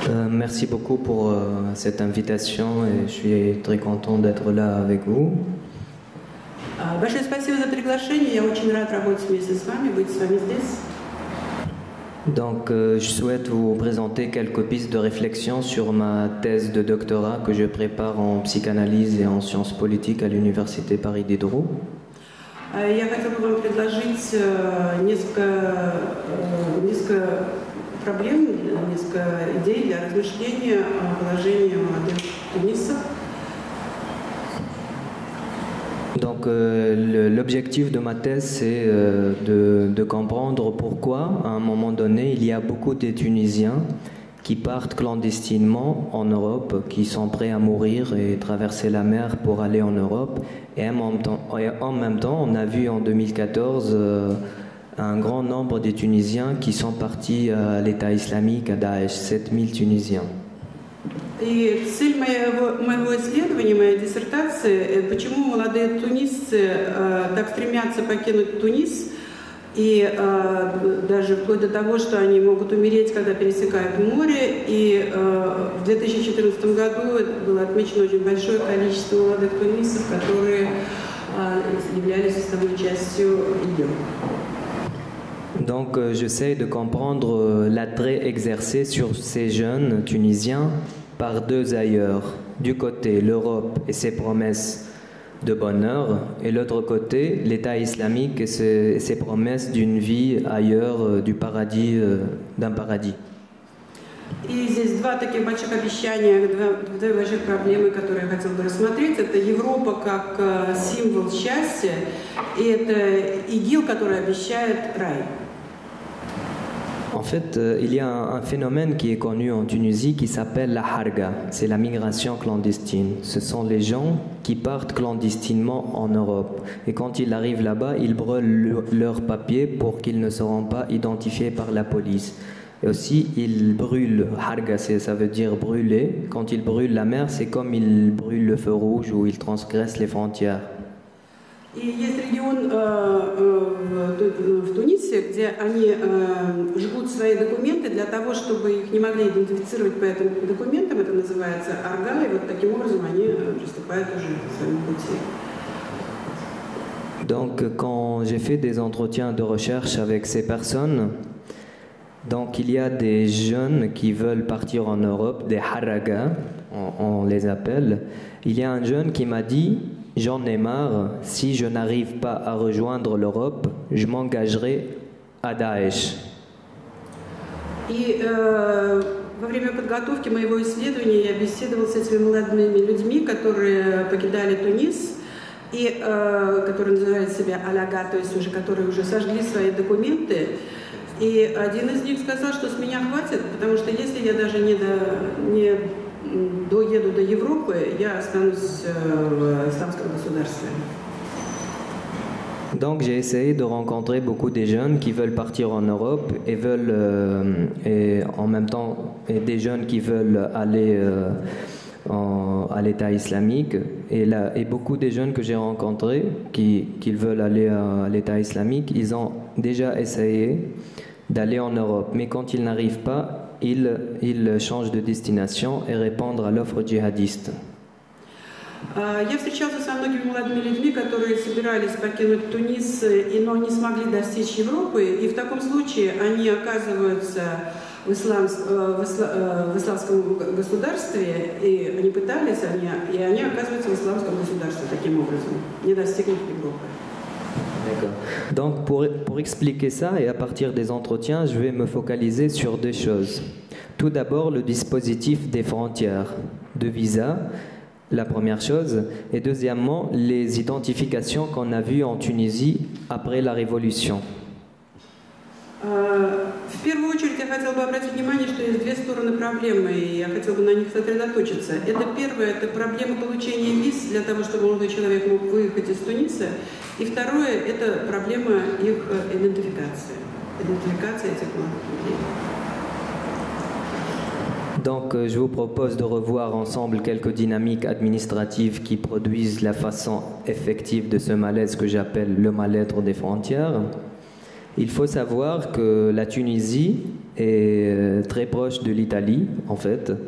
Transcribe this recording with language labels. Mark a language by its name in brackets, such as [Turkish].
[French] Merci beaucoup pour cette invitation et je suis très content d'être là avec vous. [Russian] Большое спасибо за приглашение. Я очень рад работать вместе с вами, быть с вами здесь. [French] Donc, je souhaite vous présenter quelques pistes de réflexion sur ma thèse de doctorat que je prépare en psychanalyse et en sciences politiques à l'Université Paris Diderot. [Russian] Я хотел бы вам предложить несколько проблем, несколько идей для размышления о положении модерн Туниса. [French] Donc l'objectif de ma thèse, c'est de comprendre pourquoi, à un moment donné, il y a beaucoup de Tunisiens qui partent clandestinement en Europe, qui sont prêts à mourir et traverser la mer pour aller en Europe. Et en même temps, on a vu en 2014 un grand nombre de Tunisiens qui sont partis à l'État islamique, à Daesh, 7000 Tunisiens. [Russian] И цель моего исследования, моей диссертации, почему молодые тунисцы так стремятся покинуть Тунис, и даже вплоть до того, что они могут умереть, когда пересекают море. И в 2014 году было отмечено очень большое количество молодых тунисцев, которые являлись составной частью ИГИЛ. [French] Donc j'essaie de comprendre l'attrait exercé sur ces jeunes tunisiens par deux ailleurs, du côté l'Europe et ses promesses de bonheur, et l'autre côté l'État islamique et ses promesses d'une vie ailleurs, du paradis, d'un paradis. [Russian] И здесь два таких больших обещания, две больших проблемы, которые я хотел бы рассмотреть. Это Европа как символ счастья, и это ИГИЛ, который обещает рай. [French] En fait, il y a un phénomène qui est connu en Tunisie qui s'appelle la harga, c'est la migration clandestine. Ce sont les gens qui partent clandestinement en Europe. Et quand ils arrivent là-bas, ils brûlent leurs papiers pour qu'ils ne seront pas identifiés par la police. Et aussi, ils brûlent, harga, ça veut dire brûler. Quand ils brûlent la mer, c'est comme ils brûlent le feu rouge ou ils transgressent les frontières. [Russian] И есть регион в Тунисе, где они жгут свои документы для того, чтобы их не могли идентифицировать по этим документам. Это называется арга, и вот таким образом они приступают уже к своему пути. [French] Donc, quand j'ai fait des entretiens de recherche avec ces personnes, donc il y a des jeunes qui veulent partir en Europe, des haraga, on les appelle. Il y a un jeune qui m'a dit: j'en ai marre, si je n'arrive pas à rejoindre l'Europe, je m'engagerai à Daesh. [Russian] И во время подготовки моего исследования я беседовал с этими молодыми людьми, которые покидали Тунис, и которые называют себя аляга, то есть уже которые уже сожгли свои документы. И один из них сказал, что с меня хватит, потому что если я даже не доеду до Европы, я останусь в исламском государстве. [French] Donc j'ai essayé de rencontrer beaucoup de jeunes qui veulent partir en Europe et veulent et en même temps et des jeunes qui veulent aller à l'État islamique, et beaucoup de jeunes que j'ai rencontrés qui veulent aller à l'État islamique, ils ont déjà essayé d'aller en Europe, mais quand ils n'arrivent pas, ils changent de destination et répondent à l'offre djihadiste. [Russian] Я встречался со многими молодыми людьми, которые собирались покинуть Тунис, но не смогли достичь Европы, и в таком случае они оказываются в исламском государстве, и они пытались, и они оказываются в исламском государстве таким образом, не достигнув Европы. [French] Donc pour expliquer ça et à partir des entretiens, je vais me focaliser sur deux choses. Tout d'abord, le dispositif des frontières de visa, la première chose. Et deuxièmement, les identifications qu'on a vues en Tunisie après la révolution. [Russian] В первую очередь я хотел бы обратить внимание, что есть две стороны проблемы, и я хотел бы на них сосредоточиться. Это первое, это проблема получения виз для того, чтобы молодой человек мог выехать из Туниса. И второе, это проблема их идентификации. Идентификация этих людей. [French] Donc, je vous propose de revoir ensemble quelques dynamiques administratives qui produisent la façon effective de ce malaise que j'appelle le mal-être des frontières. Il faut savoir que la Tunisie est très proche de l'Italie, en fait.